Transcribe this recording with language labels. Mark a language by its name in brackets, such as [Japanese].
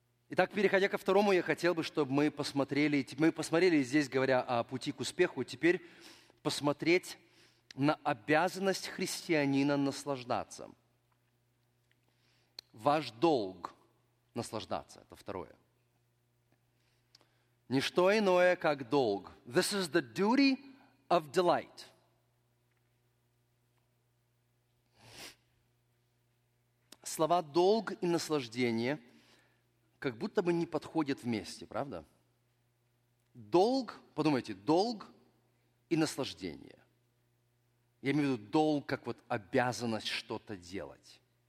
[Russian] Итак, переходя ко второму, я хотел бы, чтобы мы посмотрели здесь, говоря о пути к успеху, теперь посмотреть на обязанность христианина наслаждаться. Ваш долг наслаждаться, это второе. Ничто иное, как долг. [English] This is the duty of delight. [Russian] Слова «долг» и «наслаждение» как будто бы не подходят вместе, правда? Долг, подумайте, долг и наслаждение. Я имею в виду долг как вот обязанность что-то делать.